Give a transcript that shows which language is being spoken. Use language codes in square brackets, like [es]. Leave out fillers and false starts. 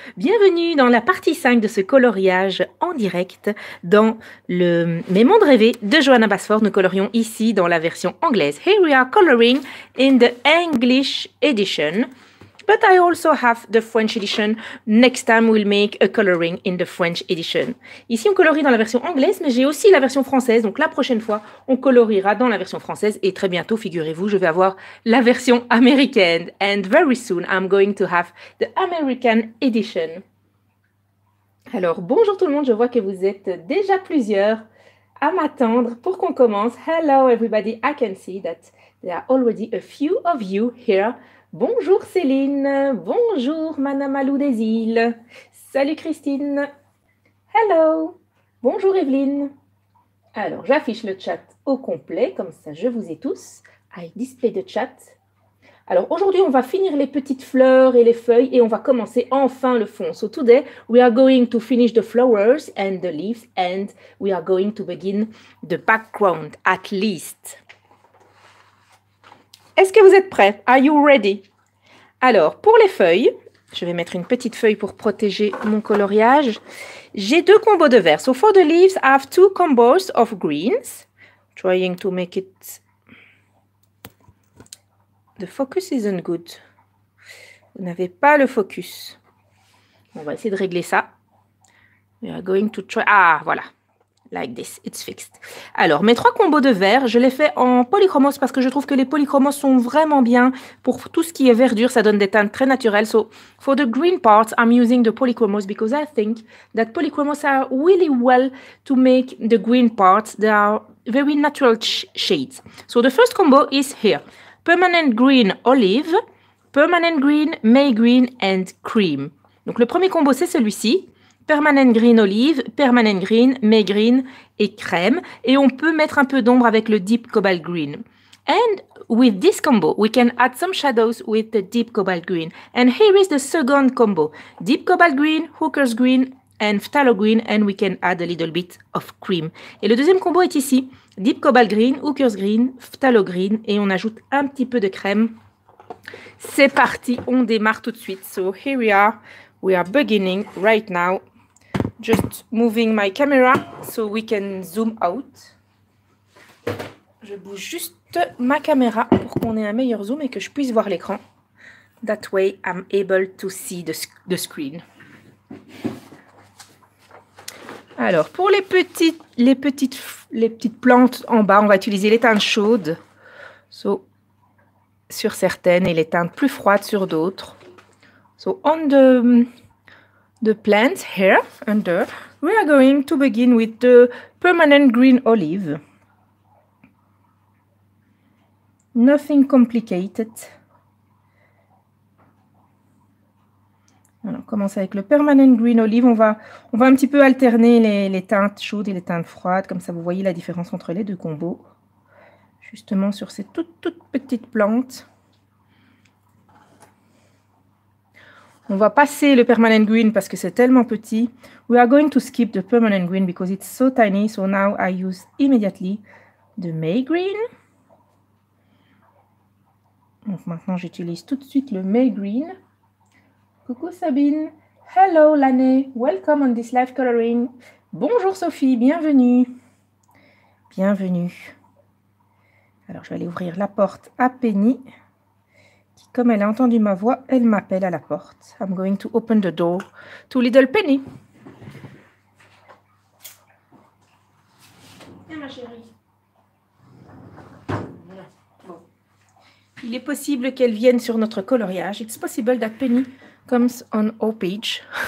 [fr] Bienvenue dans la partie 5 de ce coloriage en direct dans le Mes mondes rêvés de Johanna Basford. Nous colorions ici dans la version anglaise. [en] Here we are coloring in the English edition. But I also have the French edition. Next time we'll make a coloring in the French edition. [fr] Ici on colorie dans la version anglaise, mais j'ai aussi la version française. Donc la prochaine fois, on coloriera dans la version française. Et très bientôt, figurez-vous, je vais avoir la version américaine. [en] And very soon, I'm going to have the American edition. [fr] Alors bonjour tout le monde, je vois que vous êtes déjà plusieurs à m'attendre pour qu'on commence. [en] Hello everybody, I can see that there are already a few of you here. [fr] Bonjour Céline, bonjour Madame Alou des Îles, salut Christine, hello, bonjour Evelyne. Alors j'affiche le chat au complet, comme ça je vous ai tous, [en] I display the chat. [fr] Alors aujourd'hui on va finir les petites fleurs et les feuilles et on va commencer enfin le fond. [en] So today we are going to finish the flowers and the leaves and we are going to begin the background at least. [fr] Est-ce que vous êtes prêts? [en] Are you ready? [fr] Alors, pour les feuilles, je vais mettre une petite feuille pour protéger mon coloriage. J'ai deux combos de vert. [en] So for the leaves, I have two combos of greens. Trying to make it... The focus isn't good. [fr] Vous n'avez pas le focus. On va essayer de régler ça. [en] We are going to try... [fr] Ah, voilà. [en] Like this, it's fixed. [fr] Alors, mes trois combos de vert, je les fais en polychromos parce que je trouve que les polychromos sont vraiment bien pour tout ce qui est verdure, ça donne des teintes très naturelles. [en] So, for the green parts, I'm using the polychromos because I think that polychromos are really well to make the green parts. They are very natural shades. So, the first combo is here. Permanent green olive, permanent green, May green and cream. [fr] Donc, le premier combo, c'est celui-ci. Permanent Green Olive, Permanent Green, May Green et Crème. Et on peut mettre un peu d'ombre avec le Deep Cobalt Green. [en] And with this combo, we can add some shadows with the Deep Cobalt Green. And here is the second combo. Deep Cobalt Green, Hooker's Green and Phthalo Green. And we can add a little bit of cream. [fr] Et le deuxième combo est ici. Deep Cobalt Green, Hooker's Green, Phthalo Green. Et on ajoute un petit peu de crème. C'est parti, on démarre tout de suite. [en] So here we are. We are beginning right now, just moving my camera so we can zoom out. [fr] Je bouge juste ma caméra pour qu'on ait un meilleur zoom et que je puisse voir l'écran. [en] That way, I'm able to see the screen. [fr] Alors, pour les petites plantes en bas, on va utiliser les teintes chaudes so, sur certaines et les teintes plus froides sur d'autres. [en] So, on the... The plants here, under, we are going to begin with the permanent green olive. Nothing complicated. [fr] Alors, on commence avec le permanent green olive. On va un petit peu alterner les teintes chaudes et les teintes froides. Comme ça, vous voyez la différence entre les deux combos. Justement, sur ces toutes petites plantes. On va passer le permanent green parce que c'est tellement petit. [en] We are going to skip the permanent green because it's so tiny. So now I use immediately the May green. [fr] Donc maintenant j'utilise tout de suite le May green. [en] Coucou Sabine. Hello Lanné. Welcome on this live coloring. [fr] Bonjour Sophie, bienvenue. Bienvenue. Alors je vais aller ouvrir la porte à Penny. Comme elle a entendu ma voix, elle m'appelle à la porte. [en] I'm going to open the door to Little Penny. [fr] Viens ma chérie. Il est possible qu'elle vienne sur notre coloriage. [en] It's possible that Penny comes on our page.